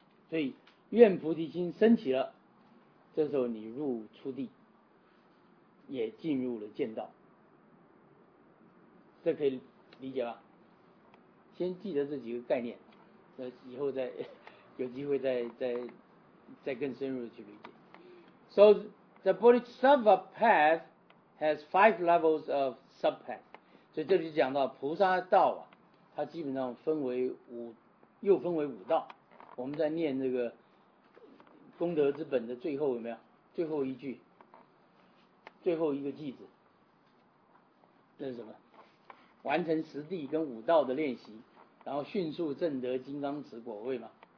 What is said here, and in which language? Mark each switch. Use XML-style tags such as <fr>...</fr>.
<zh>所以愿菩提心升起了，这时候你入初地，也进入了见道，这可以理解吧？先记得这几个概念，那以后再有机会再更深入的去理解。</zh> <en>So the Bodhisattva path has five levels of sub path。</en> <zh>所以这里讲到菩萨道啊，它基本上分为五道。我们在念这个功德之本的最后有没有？最后一句。最后一个句子，那是什么？完成十地跟五道的练习，然后迅速证得金刚持果位嘛。</zh>